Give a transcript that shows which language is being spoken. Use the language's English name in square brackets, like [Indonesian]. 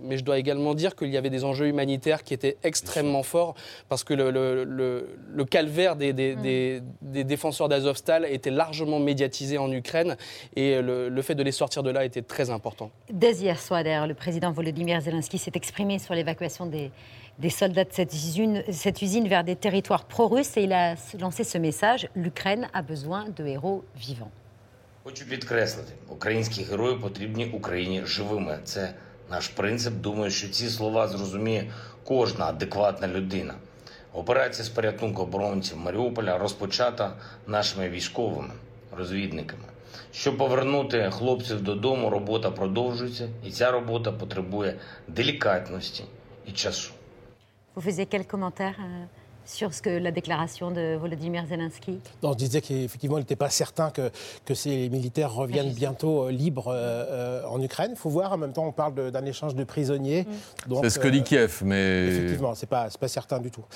[French] Mais je dois également dire qu'il y avait des enjeux humanitaires qui étaient extrêmement forts parce que le calvaire des défenseurs d'Azovstal était largement médiatisé en Ukraine. Et le fait de les sortir de là était très important. Dès hier soir, d'ailleurs, le président Volodymyr Zelensky s'est exprimé sur l'évacuation des soldats de cette usine vers des territoires pro-russes et il a lancé ce message « L'Ukraine a besoin de héros vivants ». Je veux [Ukrainian] підкреслити, українські герої потрібні Україні живими. Це наш принцип. Думаю, що ці слова зрозуміє кожна адекватна людина. Операція з порятунку оборонців Маріуполя розпочата нашими військовими розвідниками. Щоб повернути хлопців додому, робота продовжується, і ця робота потребує делікатності і часу. [French] Vous faisiez quel commentaire sur ce que la déclaration de Volodymyr Zelensky? Non, je disais qu'effectivement, il n'était pas certain que ces militaires reviennent bientôt libres en Ukraine. Il faut voir, en même temps, on parle d'un échange de prisonniers. Mmh. Donc, c'est ce que dit Kiev, mais... Effectivement, c'est pas certain du tout.